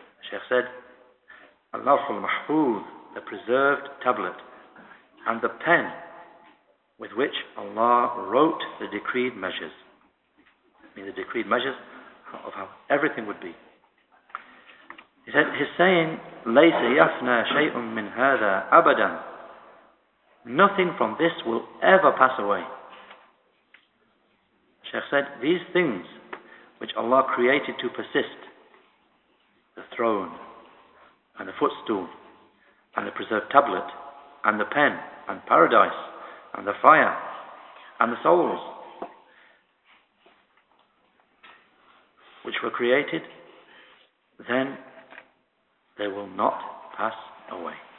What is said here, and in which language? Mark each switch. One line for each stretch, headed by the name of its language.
English: Sheikh said, اللَّوْحُ الْمَحْفُوظُ, the preserved tablet, and the pen with which Allah wrote the decreed measures. I mean, the decreed measures of how everything would be. He said, he's saying,
Arabic: لَيْسَ يَفْنَى شَيْءٌ مِّنْ هَذَا أَبَدًا.
English: Nothing from this will ever pass away. Sheikh said, these things which Allah created to persist, the throne and the footstool, and the preserved tablet, and the pen, and paradise, and the fire, and the souls, which were created, then they will not pass away.